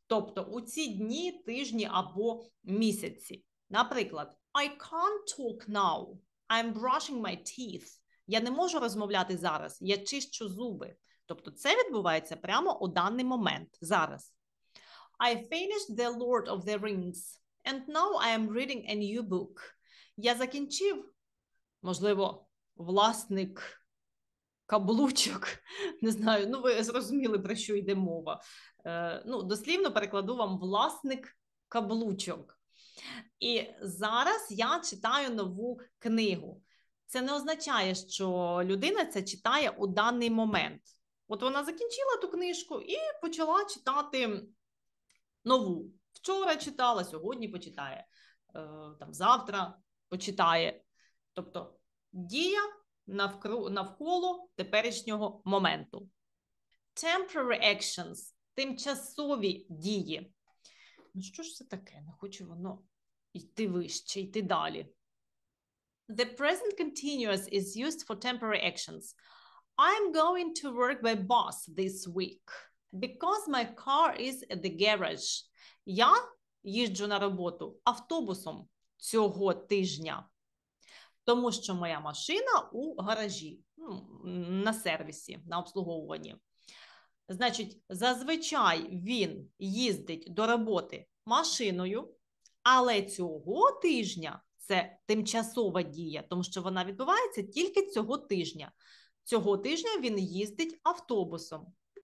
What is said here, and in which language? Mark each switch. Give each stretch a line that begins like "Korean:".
Ukrainian: Тобто, у ці дні, тижні або місяці. Наприклад,
English: I can't talk now. I'm brushing my teeth.
Ukrainian: Я не можу розмовляти зараз. Я чищу зуби. Тобто це відбувається прямо у даний момент, зараз.
English: I finished The Lord of the Rings. And now I am reading a new book.
Ukrainian: Я закінчив, можливо, власник каблучок. Не знаю, ну ви зрозуміли, про що йде мова. Ну, дослівно перекладу вам власник каблучок. І зараз я читаю нову книгу. Це не означає, що людина це читає у даний момент. От вона закінчила ту книжку і почала читати нову. Вчора читала, сьогодні почитає, там завтра почитає. Тобто дія навколо теперішнього моменту.
English: Temporary actions
Ukrainian: – тимчасові дії. Ну що ж це таке? Не хочу воно йти вище, йти далі.
English: The present continuous is used for temporary actions. I'm going to work by bus this week because my car is at the garage.
Ukrainian: Я їжджу на роботу автобусом цього тижня, тому що моя машина у гаражі, на сервісі, на обслуговуванні. Значить, зазвичай він їздить до роботи машиною, але цього тижня це тимчасова дія, тому що вона відбувається тільки цього тижня. Цього тижня він їздить автобусом.